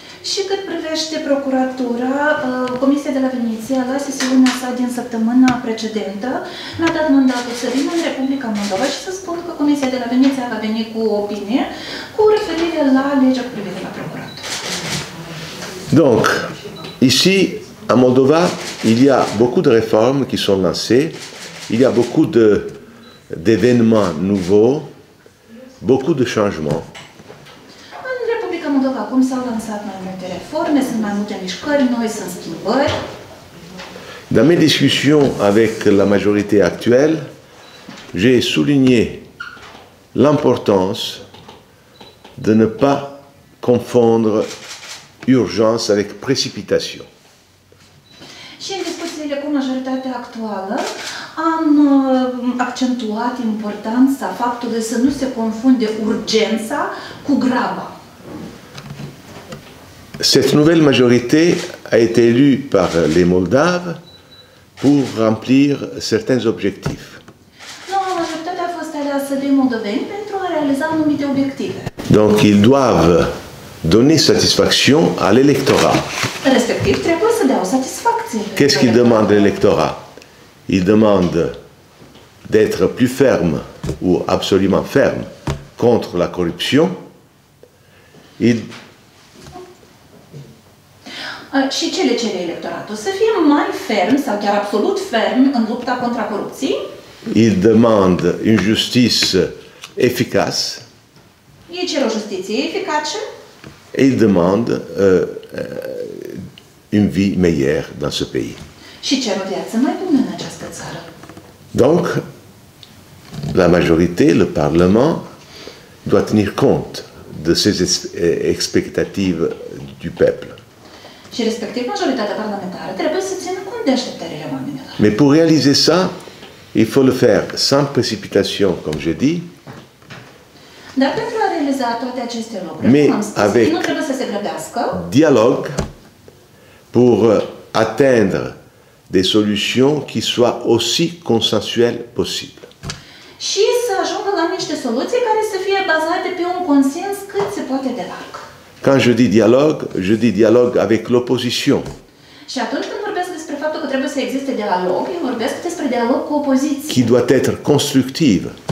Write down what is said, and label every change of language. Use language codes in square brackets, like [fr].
[ro] Și cât privește procuratura, Comisia de la Veneția, la sesiunea sa din săptămâna precedentă, mi-a dat mandatul să vin în Republica Moldova și să spun că Comisia de la Veneția va veni cu o opinie cu referire la legea cu privire la procuratură. [fr] Donc, ici, à Moldova, il y a beaucoup de réformes qui sont lancées, il y a beaucoup d'événements nouveaux, beaucoup de changements. [ro] În Republica Moldova, cum s-au lansat mai multe reforme, sunt mai multe mișcări noi, sunt schimbări. [fr] Dans mes discussions avec la majorité actuelle, j'ai souligné l'importance de ne pas confondre urgence avec précipitation. [ro] Și în discuțiile cu majoritatea actuală, am accentuat importanța faptului să nu se confunde urgența cu graba. [fr] Cette nouvelle majorité a été élue par les Moldaves pour remplir certains objectifs. [ro] Noua majoritate a fost aleasă de moldoveni pentru a realiza anumite obiective. [fr] Donc ils doivent donner satisfaction à l'électorat. [ro] Respectiv, trebuie să dea o satisfacție. [fr] Qu'est-ce qu'il demande l'électorat? Il demande d'être plus ferme ou absolument ferme contre la corruption. [ro] Și ce le cere electoratul? Să fie mai ferm sau chiar absolut ferm în lupta contra corupției? [fr] Il demande une justice efficace. [ro] Ei cer o justiție eficace. [fr] Et il demande une vie meilleure dans ce pays. [ro] Și cer o viață mai bună în această țară. [fr] Donc, la majorité, le Parlement, doit tenir compte de ces expectatives du peuple. [ro] Și respectiv majoritatea parlamentară trebuie să țină cont de așteptările oamenilor. [fr] Mais pour réaliser ça, il faut le faire sans précipitation, comme j'ai dit. [ro] Dar pentru a realiza toate aceste lucruri, [fr] mais avec [ro] nu trebuie să se grăbească. [fr] Dialogue pour atteindre des solutions qui soient aussi consensuelles possible. [ro] Și să ajungă la niște soluții care să fie bazate pe un consens cât se poate de larg. [fr] Quand je dis dialogue avec l'opposition. [ro] Și atunci când vorbesc despre faptul că trebuie să existe dialog, eu vorbesc despre dialog cu opoziția. [fr] Qui doit être constructive.